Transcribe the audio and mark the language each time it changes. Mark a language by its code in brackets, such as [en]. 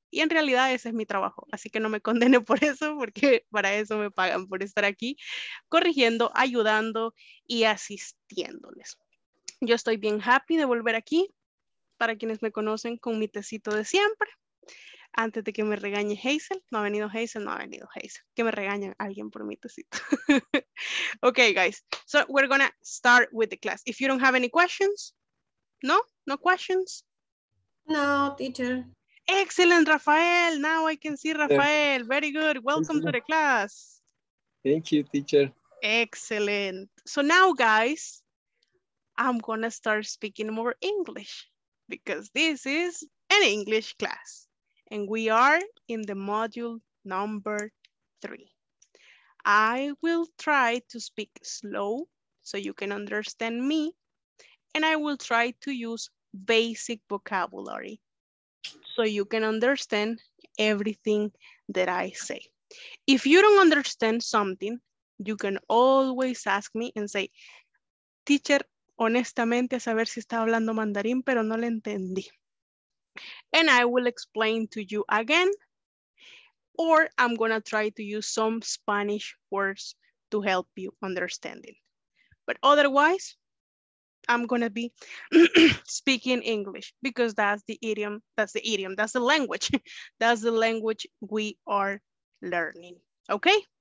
[es] Y en realidad ese es mi trabajo, así que no me condene por eso, porque para eso me pagan, por estar aquí corrigiendo, ayudando y asistiéndoles. Yo estoy bien happy de volver aquí, para quienes me conocen, con mi tecito de siempre. Antes de que me regañe Hazel, no ha venido Hazel, que me regañe alguien por mi tecito. [en] Okay, guys, so we're gonna start with the class. If you don't have any questions, no questions? No, teacher. Excellent, Rafael. Now I can see Rafael. Very good. Welcome to the class. Thank you, teacher. Excellent. So now, guys, I'm going to start speaking more English because this is an English class and we are in the module number 3. I will try to speak slow so you can understand me, and I will try to use basic vocabulary so you can understand everything that I say. If you don't understand something, you can always ask me and say, teacher, [es] honestamente a saber si estaba hablando mandarín, pero no le entendí. [en] And I will explain to you again, or I'm gonna try to use some Spanish words to help you understanding. But otherwise, I'm gonna be speaking English because that's the idiom, that's the language, that's the language we are learning, okay?